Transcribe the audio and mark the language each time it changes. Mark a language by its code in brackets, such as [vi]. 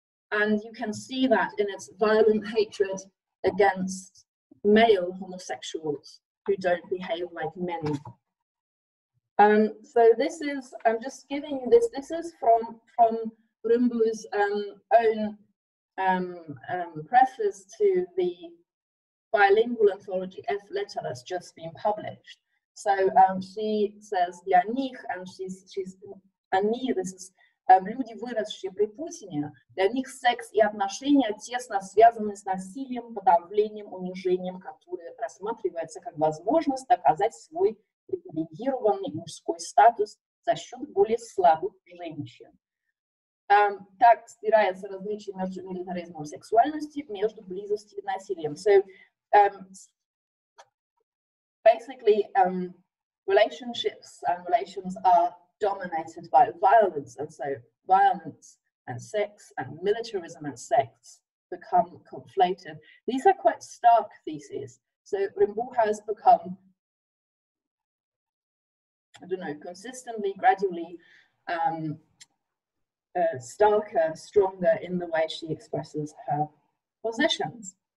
[en] And you can see that in its violent hatred against male homosexuals who don't behave like men. So this is, I'm just giving you this, this is from Rymbu's own preface to the bilingual anthology F Letter that's just been published. So she says, [ru] них, [en] and she's [ru] они, [en] this is [ru] люди, выросшие при Путине, для них секс и отношения тесно связаны с насилием, подавлением, унижением, которое рассматривается как возможность доказать свой привилегированный мужской статус за счет более слабых женщин. Так стирается различие между милитаризмом сексуальности, между близостью и насилием. [en] So, basically, relationships and relations are dominated by violence, and so violence and sex and militarism and sex become conflated. These are quite stark theses. So Rymbu has become, I don't know, consistently, gradually starker, stronger in the way she expresses her positions.